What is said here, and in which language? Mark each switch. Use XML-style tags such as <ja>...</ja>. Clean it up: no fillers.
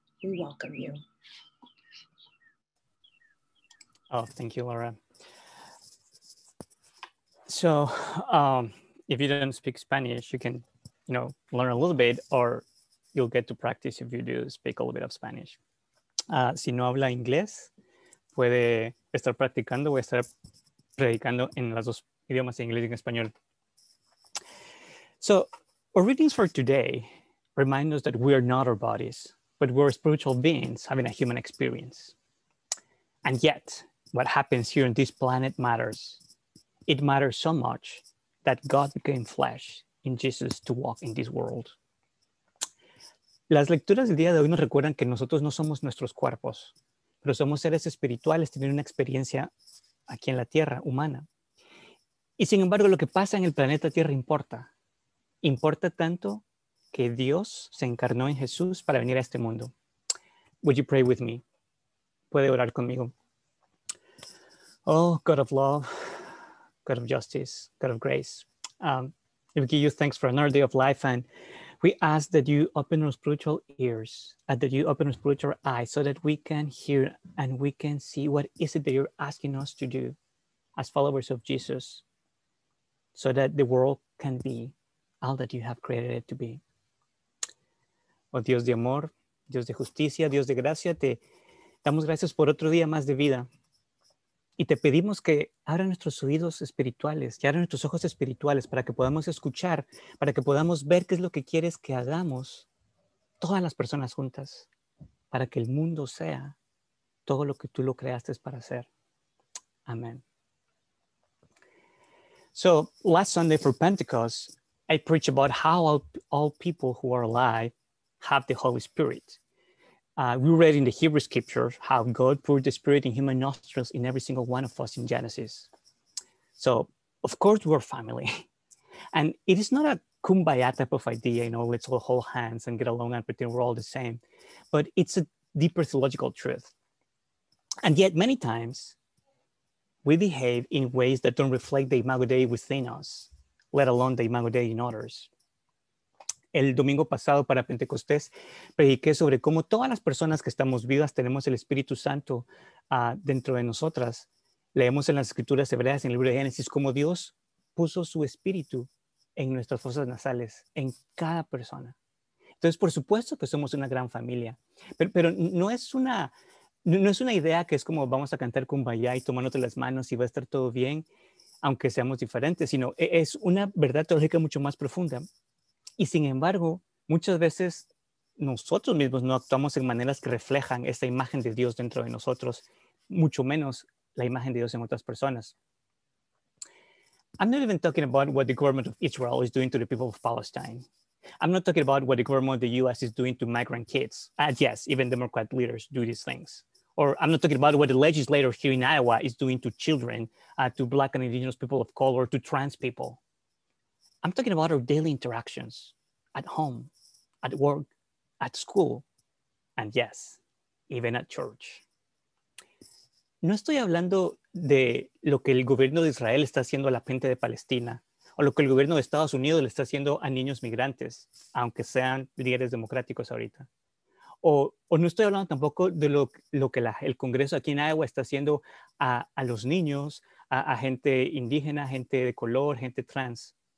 <en>We welcome you. Oh, thank you, Laura. So if you don't speak Spanish, you can, you know, learn a little bit, or you'll get to practice if you do speak a little bit of Spanish.</en> <es>Si no habla inglés, puede estar practicando o estar predicando en las dos idiomas, inglés y en español. So</es> <en>Our readings for today remind us that we are not our bodies, but we're spiritual beings having a human experience. And yet, what happens here on this planet matters. It matters so much that God became flesh in Jesus to walk in this world.</en> <es>Las lecturas del día de hoy nos recuerdan que nosotros no somos nuestros cuerpos, pero somos seres espirituales teniendo una experiencia aquí en la Tierra, humana. Y sin embargo, lo que pasa en el planeta Tierra importa. Importa tanto que Dios se encarnó en Jesús para venir a este mundo.</es> <en>Would you pray with me?</en> <es>Puede orar conmigo.</es> <en>Oh, God of love, God of justice, God of grace. We give you thanks for another day of life, and we ask that you open our spiritual ears and that you open our spiritual eyes so that we can hear and we can see what is it that you're asking us to do as followers of Jesus, so that the world can be all that you have created it to be.</en> <es>Oh, Dios de amor, Dios de justicia, Dios de gracia, te damos gracias por otro día más de vida. Y te pedimos que abra nuestros oídos espirituales, que abra nuestros ojos espirituales para que podamos escuchar, para que podamos ver qué es lo que quieres que hagamos todas las personas juntas, para que el mundo sea todo lo que tú lo creaste para ser. Amén.</es> <en>So, last Sunday for Pentecost, I preached about how all people who are alive have the Holy Spirit. We read in the Hebrew scriptures how God poured the Spirit in human nostrils in every single one of us in Genesis. So, of course, we're family. And it is not a kumbaya type of idea, you know, let's all hold hands and get along and pretend we're all the same. But it's a deeper theological truth. And yet, many times, we behave in ways that don't reflect the Imago Dei within us, let alone the Imago Dei in others.</en> <es>El domingo pasado para Pentecostés, prediqué sobre cómo todas las personas que estamos vivas tenemos el Espíritu Santo dentro de nosotras. Leemos en las Escrituras Hebreas, en el libro de Génesis, cómo Dios puso su Espíritu en nuestras fosas nasales, en cada persona. Entonces, por supuesto que somos una gran familia, pero no es una idea que es como vamos a cantar Kumbaya y tomándote las manos y va a estar todo bien, aunque seamos diferentes, sino es una verdad teológica mucho más profunda. Y sin embargo, muchas veces nosotros mismos no actuamos en maneras que reflejan esta imagen de Dios dentro de nosotros, mucho menos la imagen de Dios en otras personas.</es> <en>I'm not even talking about what the government of Israel is doing to the people of Palestine. I'm not talking about what the government of the US is doing to migrant kids. And yes, even Democrat leaders do these things. Or I'm not talking about what the legislator here in Iowa is doing to children, to Black and Indigenous people of color, to trans people. I'm talking about our daily interactions at home, at work, at school, and yes, even at church.</en> <es>No estoy hablando de lo que el gobierno de Israel está haciendo a la gente de Palestina o lo que el gobierno de Estados Unidos le está haciendo a niños migrantes, aunque sean líderes democráticos ahorita. O no estoy hablando tampoco de lo que el Congreso aquí en Iowa está haciendo a los niños, a gente indígena, gente de color, gente trans.</es>